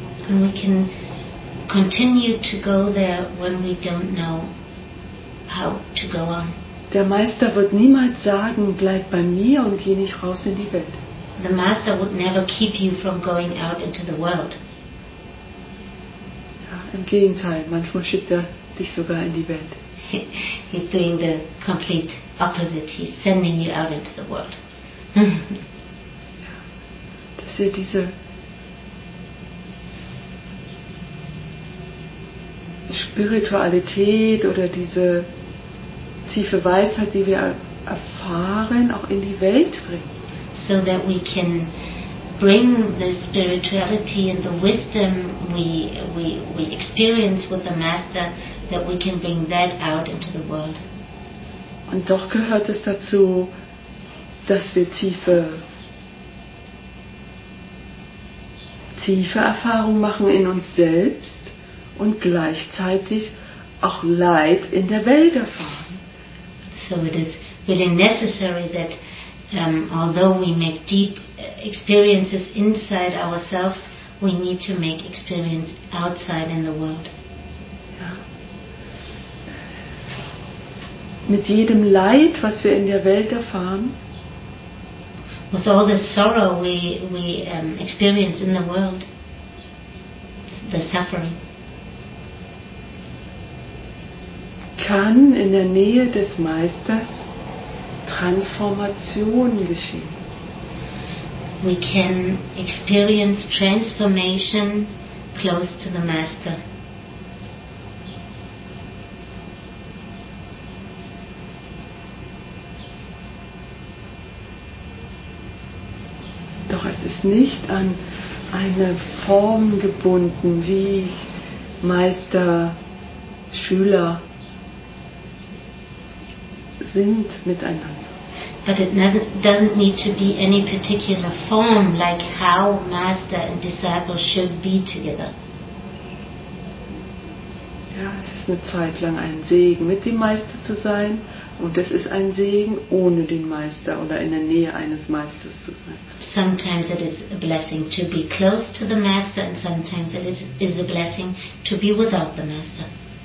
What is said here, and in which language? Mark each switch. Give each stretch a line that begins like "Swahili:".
English: And we can continue to go there when we don't know how to go on.
German: Der Meister wird niemals sagen, bleib bei mir und geh nicht raus in die Welt.
English: The Master would never keep you from going out into the world.
German: Ja, im Gegenteil, manchmal schickt er dich sogar in die Welt.
English: He's doing the complete opposite. He's sending you out into the world.
German: Ja, das ist diese Spiritualität oder diese tiefe Weisheit, die wir erfahren, auch in die Welt bringen.
English: So that we can bring the spirituality and the wisdom we experience with the Master, that we can bring that out into the world.
German: Und doch gehört es dazu, dass wir tiefe Erfahrungen machen in uns selbst und gleichzeitig auch Leid in der Welt erfahren.
English: So it is really necessary that although we make deep experiences inside ourselves, we need to make experience outside in the world.
German: Ja. Mit jedem Leid, was wir in der Welt erfahren,
English: with all the sorrow we experience in the world, the suffering,
German: kann in der Nähe des Meisters Transformation geschehen.
English: We can experience transformation close to the Master.
German: Doch es ist nicht an eine Form gebunden, wie Meister, Schüler sind miteinander.
English: But it doesn't need to be any particular form, like how master and disciple should be together.
German: Ja, es ist eine Zeit lang ein Segen, mit dem Meister zu sein, und es ist ein Segen, ohne den Meister oder in der Nähe eines Meisters zu sein.
English: Sometimes it is a blessing to be close to the Master, and sometimes it is a blessing to be without the Master.